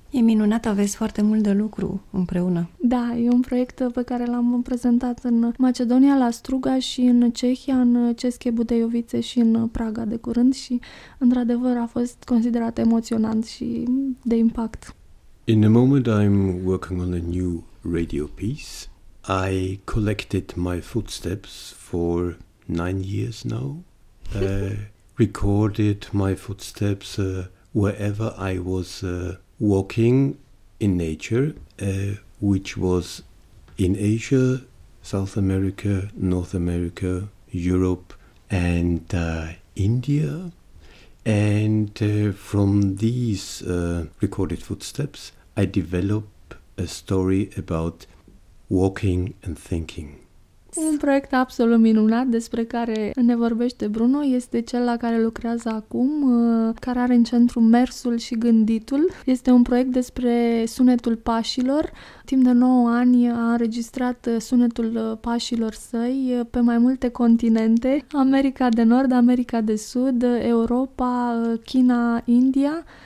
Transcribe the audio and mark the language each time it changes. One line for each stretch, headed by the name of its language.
Romanian: E minunat, aveți foarte mult de lucru împreună. Da, e un proiect pe care l-am prezentat în Macedonia, la Struga și în Cehia, în Ceske Budejovice și în Praga de curând și, într-adevăr, a fost considerat emoționant și de impact.
English: In a moment I'm working on a new radio piece. I collected my footsteps for 9 years now. recorded my footsteps wherever I was walking in nature, which was in Asia, South America, North America, Europe, and India. And from these recorded footsteps, I developed a story about walking and thinking.
Romanian: Un proiect absolut minunat despre care ne vorbește Bruno este cel la care lucrează acum, care are în centru mersul și gânditul. Este un proiect despre sunetul pașilor. Timp de 9 ani a înregistrat sunetul pașilor săi pe mai multe continente: America de Nord, America de Sud, Europa, China, India.